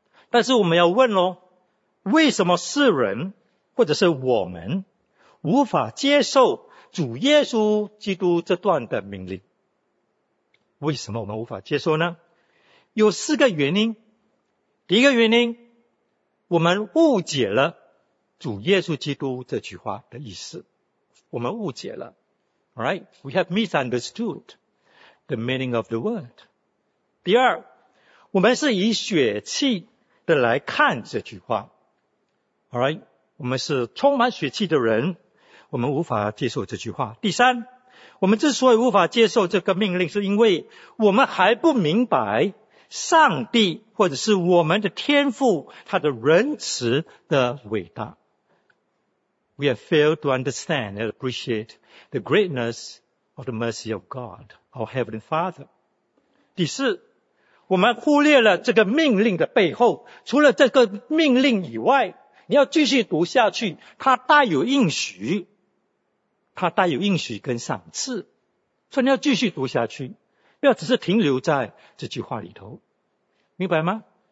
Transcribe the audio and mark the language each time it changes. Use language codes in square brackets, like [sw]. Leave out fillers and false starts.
[zh] 但是我们要问咯，为什么世人或者是我们无法接受主耶稣基督这段的命令？为什么我们无法接受呢？有四个原因。第一个原因，我们误解了主耶稣基督这句话的意思。我们误解了。 [en] Alright? We have misunderstood the meaning of the word. [zh] 第二，我们是以血气的来看这句话。 [en] Alright? [zh] 我们是充满血气的人，我们无法接受这句话。第三，我们之所以无法接受这个命令，是因为我们还不明白上帝或者是我们的天父他的仁慈的伟大。 [en] We have failed to understand and appreciate the greatness of the mercy of God, our Heavenly Father. [zh] 第四，我们忽略了这个命令的背后，除了这个命令以外，你要继续读下去，它带有应许，它带有应许跟赏赐，所以你要继续读下去，不要只是停留在这句话里头，明白吗？